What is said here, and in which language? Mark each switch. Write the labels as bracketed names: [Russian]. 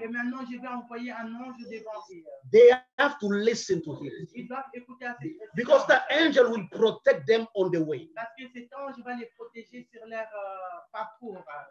[French] Et maintenant je vais envoyer un ange devant eux. [English] They have to listen to him. [French] Ils doivent écouter à ses instructions. [English] Because the angel will protect them on the way. [French] Parce que cet ange va les protéger sur leur parcours.